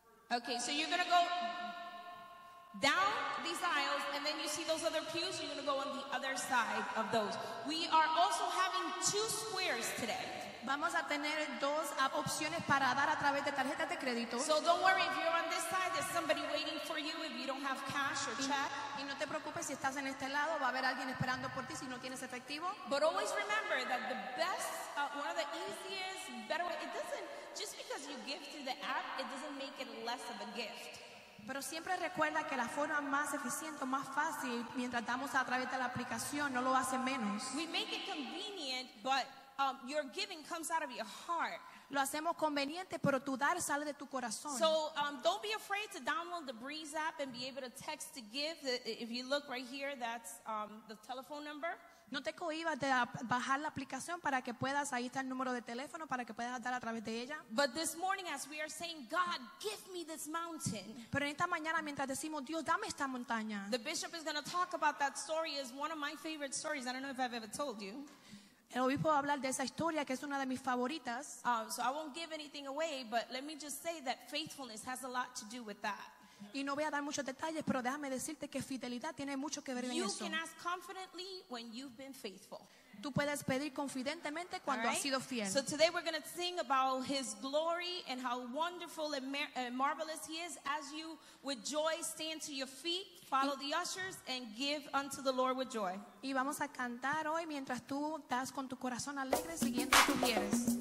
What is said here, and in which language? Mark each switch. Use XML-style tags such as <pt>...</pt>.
<en>Okay, so you're going to go down these aisles, and then you see those other pews, you're going to go on the other side of those. We are also having two squares today.</en> <es>Vamos a tener dos opciones para dar a través de tarjetas de crédito.</es> <en>So don't worry if you're on this side, there's somebody waiting for you if you don't have cash or check.</en> <es>Y no te preocupes si estás en este lado, va a haber alguien esperando por ti si no tienes efectivo.</es> <en>But always remember that the best, one of the easiest, better way, it doesn't, just because you give through the app, it doesn't make it less of a gift.</en> <es>Pero siempre recuerda que la forma más eficiente, más fácil, mientras damos a través de la aplicación, no lo hace menos.</es> <en>We make it convenient, but your giving comes out of your heart.</en> <es>Lo hacemos conveniente, pero tu dar sale de tu corazón.</es> <en>So don't be afraid to download the Breeze app and be able to text to give. If you look right here, that's the telephone number.</en> <es>No te cohibas de bajar la aplicación para que puedas, ahí está el número de teléfono para que puedas dar a través de ella.</es> <en>But this morning as we are saying, God, give me this mountain.</en> <es>Pero en esta mañana mientras decimos, Dios, dame esta montaña.</es> <en>The bishop is going to talk about that story, is one of my favorite stories. I don't know if I've ever told you.</en> <es>El obispo va a hablar de esa historia que es una de mis favoritas.</es> <en>So I won't give anything away, but let me just say that faithfulness has a lot to do with that.</en> <es>Y no voy a dar muchos detalles, pero déjame decirte que fidelidad tiene mucho que ver en eso.</es> <en>You can ask confidently when you've been faithful.</en> <es>tú puedes pedir confidentemente cuando has sido fiel.</es> <en>So today we're going to sing about his glory and how wonderful and marvelous he is. As you with joy stand to your feet, follow the ushers and give unto the Lord with joy.</en> <es>Y vamos a cantar hoy mientras tú estás con tu corazón alegre siguiendo tus pies.</es>